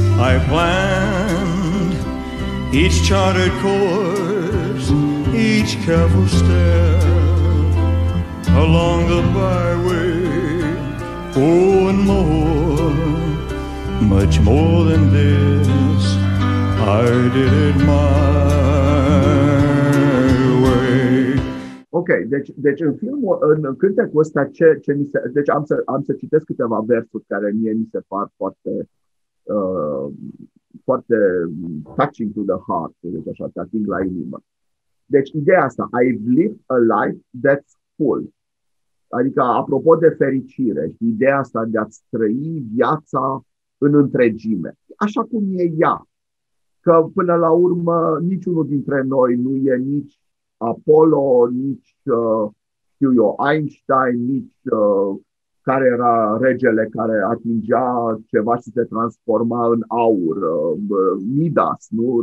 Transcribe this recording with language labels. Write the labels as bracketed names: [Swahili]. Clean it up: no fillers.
[English] I planned each charted course, each careful step along the byway. Oh, and more, much more than this, I did it my way. [Romanian] Okay, deci în filmul, în cântecul ăsta, ce mi se, deci am să citesc câteva versuri care mie mi se par foarte foarte [English] touching to the heart, [Romanian] deci așa, te ating la inimă. Deci ideea asta, [English] I've lived a life that's full. [Romanian] Adică, apropo de fericire, ideea asta de a-ți trăi viața în întregime, așa cum e ea. Că până la urmă, niciunul dintre noi nu e nici Apollo, nici știu eu, Einstein, nici care era regele care atingea ceva și se transforma în aur, Midas, nu?